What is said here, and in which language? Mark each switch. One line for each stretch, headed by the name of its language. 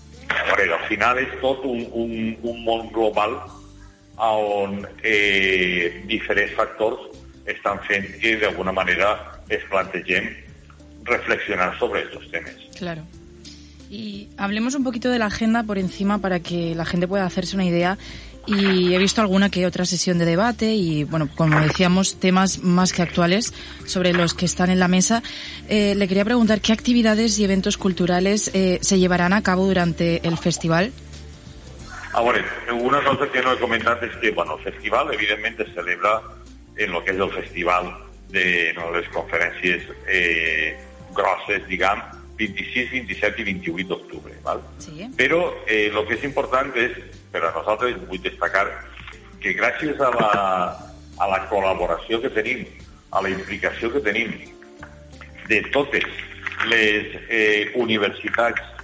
Catalan: A veure, al final és tot un món global on diferents factors estan fent que d'alguna manera es plantegem reflexionar sobre estos temes.
Spanish: Claro. Y hablemos un poquito de la agenda por encima para que la gente pueda hacerse una idea. Y he visto alguna que otra sesión de debate y, bueno, como decíamos, temas más que actuales sobre los que están en la mesa. Le quería preguntar, ¿qué actividades y eventos culturales se llevarán a cabo durante el festival? Ahora, una cosa que no he comentado es que, bueno, el festival evidentemente se celebra en lo que es el festival de las conferencias grosses, digamos, 26, 27 y 28 de octubre, ¿vale? Sí. Pero lo que es importante es, para nosotros, voy a destacar que gracias a la colaboración que tenemos, a la implicación que tenemos de todas las universidades